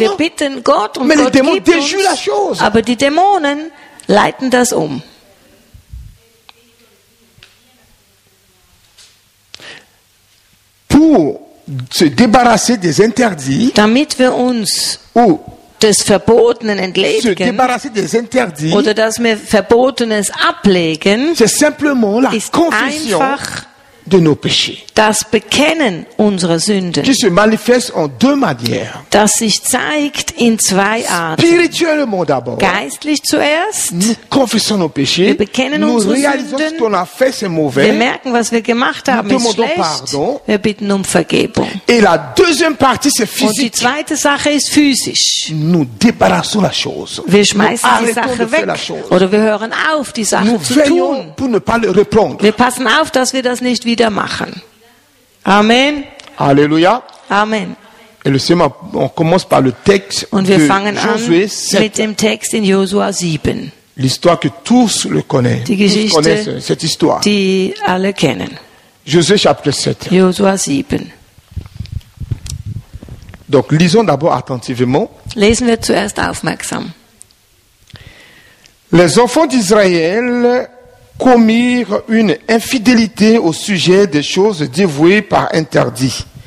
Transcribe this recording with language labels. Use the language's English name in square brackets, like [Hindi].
[German] wir bitten Gott und [French] mais [German] Gott [French] les démons [German] gibt uns, [French] la chose. [German] Aber die Dämonen leiten das um. [French] Pour se débarrasser des interdits, [German] damit wir uns des Verbotenen entledigen, [French] se débarrasser des interdits, [German] oder dass wir Verbotenes ablegen, [French] c'est simplement la confession. De nos péchés. [German] Das Bekennen unserer Sünden, [French] qui se manifeste en deux manières. [German] Das sich zeigt in zwei Arten. [French] Spirituellement d'abord. [German] Geistlich zuerst. [French] Nous confessons nos péchés. [German] Wir bekennen [French] nous [German] unsere [French] réalisons [German] Sünden. [French] Ce qu'on a fait, c'est mauvais. [German] Wir merken, was wir gemacht haben, [French] nous [German] ist schlecht. [French] Pardon. [German] Wir bitten um Vergebung. [French] Et la deuxième partie, c'est physique. [German] Und die zweite Sache ist physisch. [French] Nous débarrassons la chose. [German] Wir schmeißen nous die Sache weg. Oder wir hören auf, die Sache [French] nous [German] zu tun. [French] Pour ne pas le reprendre. [German] Wir passen auf, dass wir das nicht wieder machen. Amen. Alléluia. Amen. [French] Et le Seigneur, on commence par le texte [German] und wir fangen [French] de Josué 7. [German] Mit dem Text in Josua 7. [French] L'histoire que tous le connaissent. [German] Die Geschichte, [French] tous connaissent cette histoire. [German] Die alle kennen. [French] Josué chapitre 7. [German] Josua 7. [French] Donc lisons d'abord attentivement. [German] Lesen wir zuerst aufmerksam. [French] Les enfants d'Israël commirent une infidélité au sujet des choses dévouées par interdit.